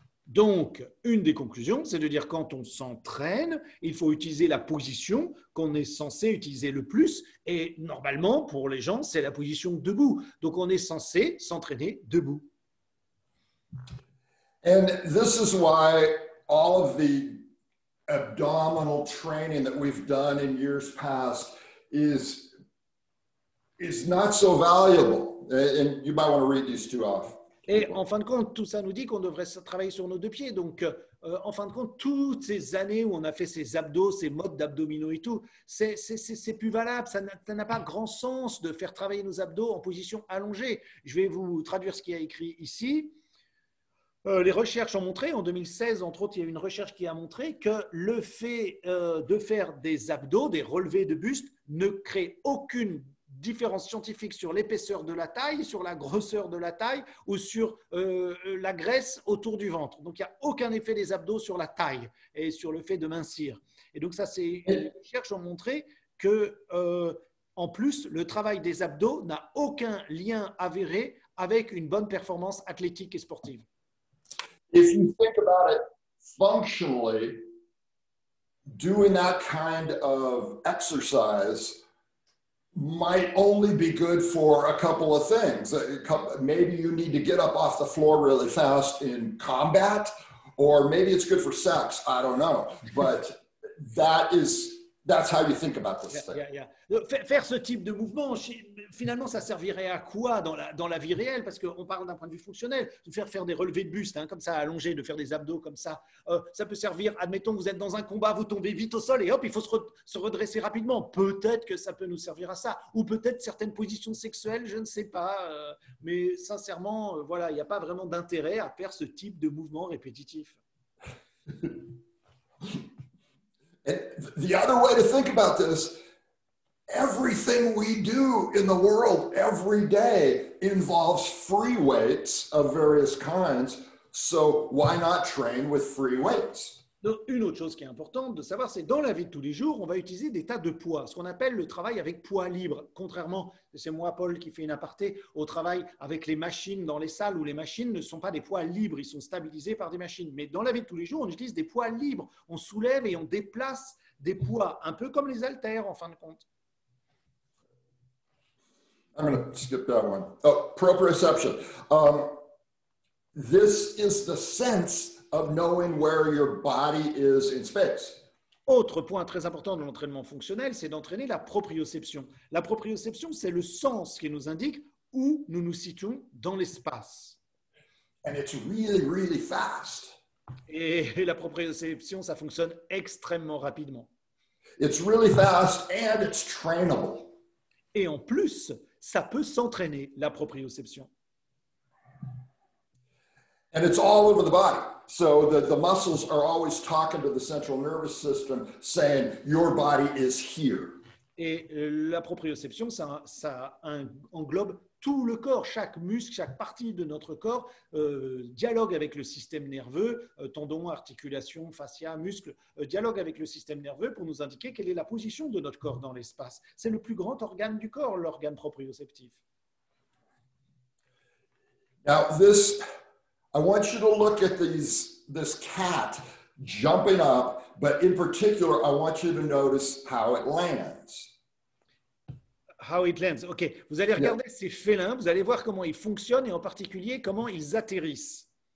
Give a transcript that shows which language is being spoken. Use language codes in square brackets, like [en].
[fr] Donc, une des conclusions, c'est de dire quand on s'entraîne, il faut utiliser la position qu'on est censé utiliser le plus. Et normalement, pour les gens, c'est la position debout. Donc, on est censé s'entraîner debout. [en] And this is why all of the abdominal training that we've done in years past is not so valuable. And you might want to read these two off. [fr] Et en fin de compte, tout ça nous dit qu'on devrait travailler sur nos deux pieds. Donc, en fin de compte, toutes ces années où on a fait ces abdos, ces modes d'abdominaux et tout, c'est plus valable. Ça n'a pas grand sens de faire travailler nos abdos en position allongée. Je vais vous traduire ce qu'il y a écrit ici. Les recherches ont montré, en 2016, entre autres, il y a une recherche qui a montré que le fait de faire des abdos, des relevés de buste, ne crée aucune différence scientifique sur l'épaisseur de la taille, sur la grosseur de la taille ou sur la graisse autour du ventre. Donc, il n'y a aucun effet des abdos sur la taille et sur le fait de mincir. Et donc, ça, c'est une recherche qui a montré que, en plus, le travail des abdos n'a aucun lien avéré avec une bonne performance athlétique et sportive. [en] If you think about it functionally, doing that kind of exercise might only be good for a couple of things. Maybe you need to get up off the floor really fast in combat, or maybe it's good for sex, I don't know. But that's how you think about this thing. [fr] Faire ce type de mouvement, finalement, ça servirait à quoi dans la vie réelle? Parce qu'on parle d'un point de vue fonctionnel. Faire des relevés de buste, hein, comme ça, allongé, de faire des abdos comme ça, ça peut servir, admettons que vous êtes dans un combat, vous tombez vite au sol et hop, il faut se redresser rapidement. Peut-être que ça peut nous servir à ça. Ou peut-être certaines positions sexuelles, je ne sais pas. Mais sincèrement, voilà, il n'y a pas vraiment d'intérêt à faire ce type de mouvement répétitif. [en] The other way to think about this, everything we do in the world every day involves free weights of various kinds, so why not train with free weights? [fr] Une autre chose qui est importante de savoir, c'est dans la vie de tous les jours, on va utiliser des tas de poids, ce qu'on appelle le travail avec poids libre. Contrairement, c'est moi, Paul, qui fais une aparté, au travail avec les machines dans les salles où les machines ne sont pas des poids libres, ils sont stabilisés par des machines. Mais dans la vie de tous les jours, on utilise des poids libres. On soulève et on déplace des poids, un peu comme les haltères, en fin de compte. [en] I'm going to skip that one. Oh, proprioception. This is the sense of knowing where your body is in space. [fr] Autre point très important de l'entraînement fonctionnel, c'est d'entraîner la proprioception. La proprioception, c'est le sens qui nous indique où nous nous situons dans l'espace. [en] And it's really, really fast. [fr] Et la proprioception, ça fonctionne extrêmement rapidement. [en] It's really fast and it's trainable. [fr] Et en plus, ça peut s'entraîner, la proprioception. [en] And it's all over the body. So the muscles are always talking to the central nervous system saying, your body is here. [fr] Et la proprioception, ça englobe tout le corps. Chaque muscle, chaque partie de notre corps dialogue avec le système nerveux, tendons, articulations, fascia, muscles, dialogue avec le système nerveux pour nous indiquer quelle est la position de notre corps dans l'espace. C'est le plus grand organe du corps, l'organe proprioceptif. [en] Now, this, I want you to look at this cat jumping up, but in particular, I want you to notice how it lands. How it lands. [fr] OK. Vous allez regarder ces félins. Vous allez voir comment ils fonctionnent et en particulier comment ils atterrissent.